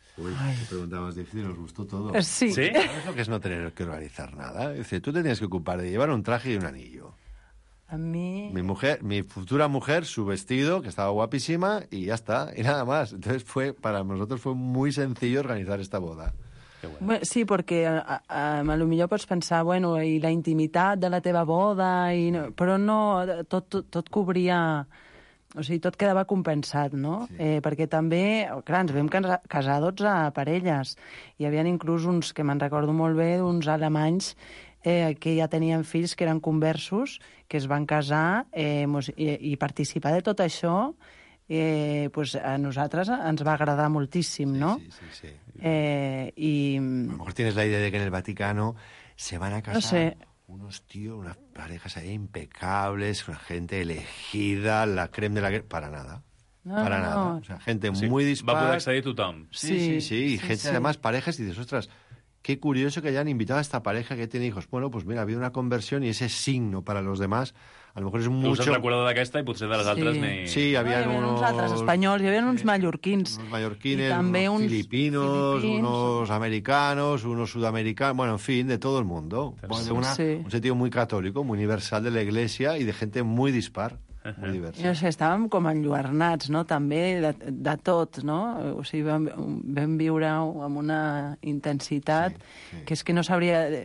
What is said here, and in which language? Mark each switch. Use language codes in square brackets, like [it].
[es] Uy, te preguntabas difícil, nos gustó todo. Sí. ¿Sí? ¿Sabes lo que es no tener que organizar nada? Es decir, tú tenías que ocupar de llevar un traje y un anillo. A mí... Mi futura mujer, su vestido, que estaba guapísima, y ya está, y nada más. Entonces para nosotros fue muy sencillo organizar esta boda. Bueno. [ca] Sí, perquè a lo millor pots pensar, bueno, i la intimitat de la teva boda, i no, però no, tot cobria, o sigui, tot quedava compensat, no? Sí. Perquè també, clar, ens vam casar 12 parelles, i hi havia inclús uns, que me'n recordo molt bé, uns alemanys que ja tenien fills, que eren conversos, que es van casar, i participar de tot això... pues a nosaltres ens va agradar moltíssim, sí, no? Sí. [es] A lo mejor tienes la idea de que en el Vaticano se van a casar unos tíos, unas parejas ahí impecables, una gente elegida, la creme de la creme... Para nada. No, para nada. O sea, gente sí. Muy dispar. [ca] Va a poder accedir tothom. Sí. [es] Y gente, además, parejas, y dices, ostras, qué curioso que hayan invitado a esta pareja que tiene hijos. Bueno, pues mira, ha habido una conversión y ese signo para los demás... A lo mejor [ca] és molt... Us has recordat d'aquesta i potser de les altres n'hi... Sí, hi havia uns altres espanyols, hi havia uns mallorquins. [es] Uns mallorquines, uns filipinos, uns americanos, uns sudamericanos... Bueno, en fin, de todo el mundo. Un sentido muy católico, muy universal de la iglesia y de gente muy dispar, muy diversa. [ca] No sé, estàvem com enlluernats, no?, també de tot, no? O sigui, vam viure amb una intensitat que és que no sabria...